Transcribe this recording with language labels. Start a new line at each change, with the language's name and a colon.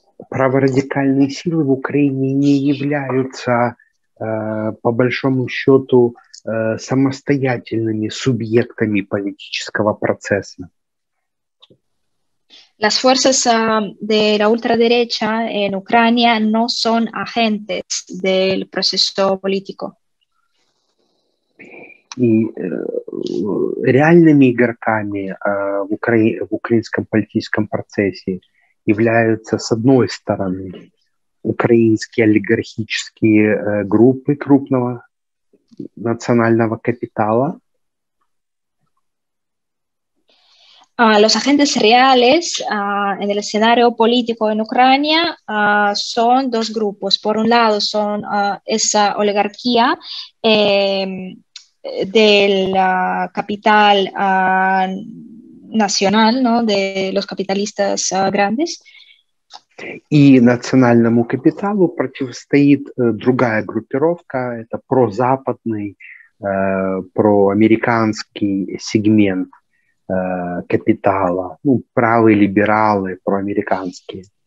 Russian: Праворадикальные силы в Украине не являются, по большому счету, самостоятельными субъектами политического процесса.
Spanish: Las fuerzas de la ultraderecha en Ucrania no son agentes del proceso político.
Russian: И реальными игроками в украинском политическом процессе являются, с одной стороны, украинские олигархические группы крупного национального капитала.
Spanish: Los agentes reales en el escenario político en Ucrania son dos grupos. Por un lado, son esa oligarquía del capital nacional, ¿no? De los capitalistas grandes.
Russian: И национальному капиталу противостоит другая группировка, это прозападный, проамериканский сегмент капитала, ну, правые либералы, проамериканские.